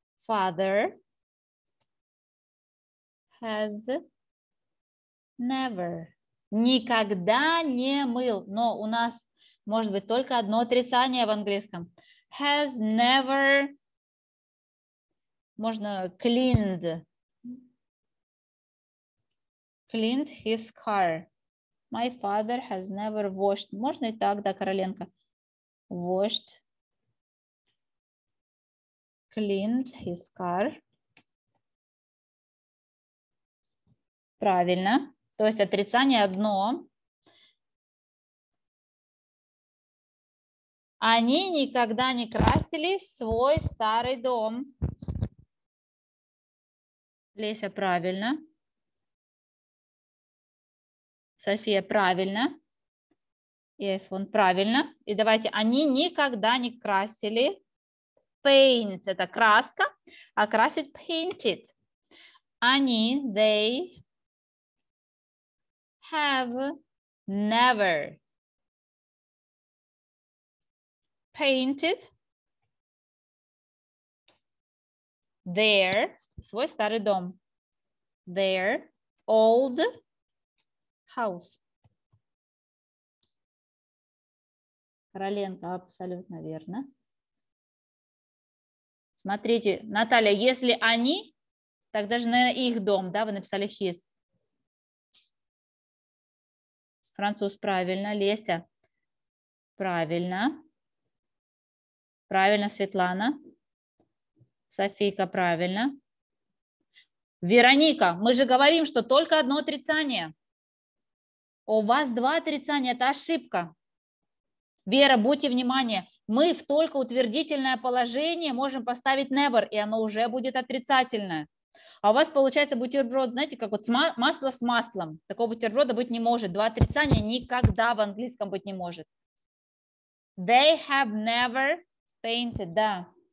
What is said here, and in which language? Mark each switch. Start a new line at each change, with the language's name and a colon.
English: Father has never.
Russian: Никогда не мыл. Но у нас может быть только одно отрицание в английском.
English: Has never.
Russian: Можно
English: cleaned. Cleaned his car. My father has never washed.
Russian: Можно и так, да, Короленко.
English: Washed. Cleaned his car.
Russian: Правильно. То есть отрицание одно. Они никогда не красили свой старый дом. Леся, правильно. София, правильно. И iPhone, правильно. И давайте, они никогда не красили. Paint – это краска, а красить – painted.
English: Они, they have never painted their,
Russian: свой старый дом,
English: their old house.
Russian: Короленко, абсолютно верно. Смотрите, Наталья, если они, тогда же, наверное, их дом, да, вы написали his. Француз, правильно. Леся, правильно. Правильно, Светлана. Софийка, правильно. Вероника, мы же говорим, что только одно отрицание. У вас два отрицания, это ошибка. Вера, будьте внимание. Мы в только утвердительное положение можем поставить never, и оно уже будет отрицательное. А у вас получается бутерброд, знаете, как вот масло с маслом. Такого бутерброда быть не может. Два отрицания никогда в английском быть не может.
English: They have never painted, да.